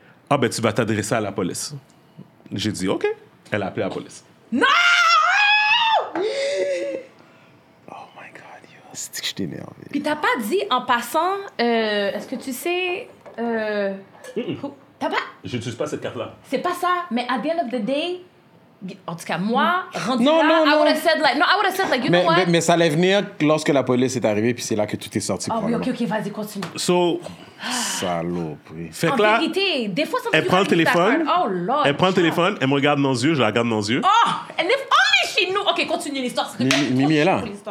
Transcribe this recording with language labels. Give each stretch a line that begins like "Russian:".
French: Ah, ben, tu vas t'adresser à la police. J'ai dit, OK. Elle a appelé la police. Non! C'est que je t'ai énervé. Puis t'as pas dit en passant, est-ce que tu sais. T'as pas. Je n'utilise pas cette carte-là. C'est pas ça, mais at the end of the day, en tout cas, moi, rendu là,
English: I would have said, like, no, I would have said, like, you
French: mais,
English: know what?
French: Mais ça allait venir lorsque la police est arrivée, puis c'est là que tout est sorti. Ah oh, oui, ok, vas-y, continue.
English: So.
French: Salope. Fait que là. En vérité, des fois, ça elle prend le téléphone.
English: Oh lord.
French: Elle prend le téléphone, elle me regarde dans les yeux, je la regarde dans les yeux. Oh! Elle est. Nous. Ok, continue l'histoire. Mimi est là.